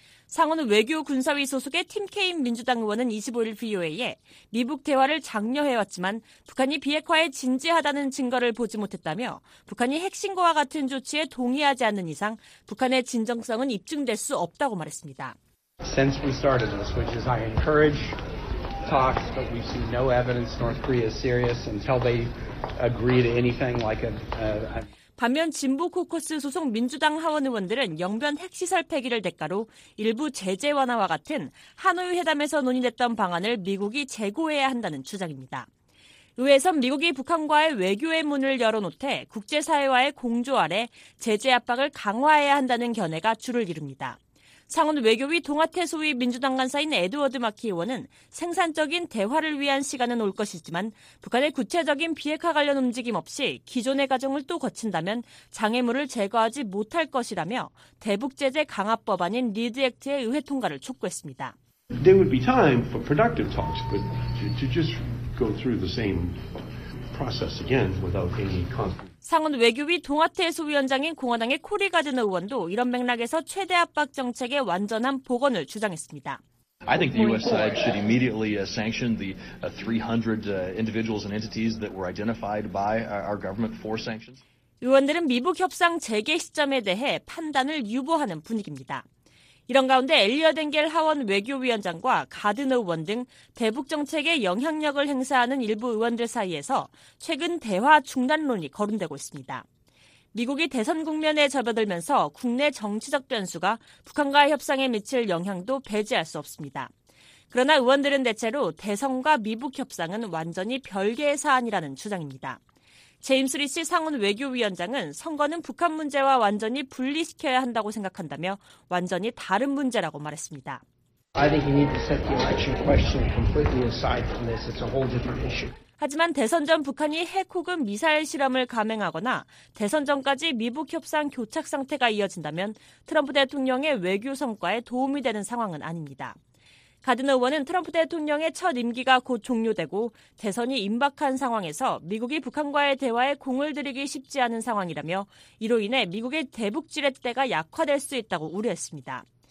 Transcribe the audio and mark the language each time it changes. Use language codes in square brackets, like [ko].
[ko] 상원 외교군사위 소속의 팀 케인 민주당 의원은 25일 VOA에 미북 대화를 장려해왔지만 북한이 비핵화에 진지하다는 증거를 보지 못했다며 북한이 핵심과 같은 조치에 동의하지 않는 이상 북한의 진정성은 입증될 수 없다고 말했습니다. [en] Since we started this, which is I encourage talks, but we see no evidence North Korea is serious until they agree to anything like a [ko] 반면 진보 코커스 소속 민주당 하원 의원들은 영변 핵시설 폐기를 대가로 일부 제재 완화와 같은 하노이 회담에서 논의됐던 방안을 미국이 재고해야 한다는 주장입니다. 의회에선 미국이 북한과의 외교의 문을 열어놓되 국제사회와의 공조 아래 제재 압박을 강화해야 한다는 견해가 주를 이룹니다. 상원 외교위 동아태 소위 민주당 간사인 에드워드 마키 의원은 생산적인 대화를 위한 시간은 올 것이지만 북한의 구체적인 비핵화 관련 움직임 없이 기존의 과정을 또 거친다면 장애물을 제거하지 못할 것이라며 대북 제재 강화 법안인 리드 액트의 의회 통과를 촉구했습니다. [en] There would be time for productive talks, but to just go through the same process again without any consequence. [ko] 상원 외교위 동아태 소위원장인 공화당의 코리 가드너 의원도 이런 맥락에서 최대 압박 정책의 완전한 복원을 주장했습니다. [en] I think the U.S. side should immediately sanction the 300 individuals and entities that were identified by our government for sanctions. [ko] 의원들은 미북 협상 재개 시점에 대해 판단을 유보하는 분위기입니다. 이런 가운데 엘리엇 앵겔 하원 외교위원장과 가드너 의원 등 대북 정책에 영향력을 행사하는 일부 의원들 사이에서 최근 대화 중단론이 거론되고 있습니다. 미국이 대선 국면에 접어들면서 국내 정치적 변수가 북한과의 협상에 미칠 영향도 배제할 수 없습니다. 그러나 의원들은 대체로 대선과 미북 협상은 완전히 별개의 사안이라는 주장입니다. 제임스 리시 상원 외교위원장은 선거는 북한 문제와 완전히 분리시켜야 한다고 생각한다며 완전히 다른 문제라고 말했습니다. [en] I think you need to set the election question completely aside from this. It's a whole different issue. [ko] 하지만 대선 전 북한이 핵 혹은 미사일 실험을 감행하거나 대선 전까지 미북 협상 교착 상태가 이어진다면 트럼프 대통령의 외교 성과에 도움이 되는 상황은 아닙니다. 가든 의원은 트럼프 대통령의 첫 임기가 곧 종료되고 대선이 임박한 상황에서 미국이 북한과의 대화에 공을 들이기 쉽지 않은 상황이라며 이로 인해 미국의 대북 지렛대가 약화될 수 있다고 우려했습니다.